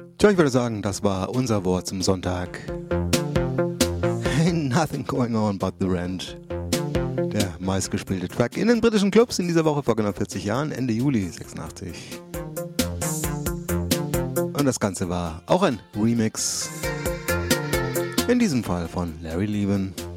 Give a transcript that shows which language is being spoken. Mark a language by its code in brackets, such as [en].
[de] Ich würde sagen, das war unser Wort zum Sonntag. [en] Ain't nothing going on but the rent. [de] Der meistgespielte Track in den britischen Clubs in dieser Woche vor genau 40 Jahren, Ende Juli 86. Und das Ganze war auch ein Remix. In diesem Fall von Larry Leben.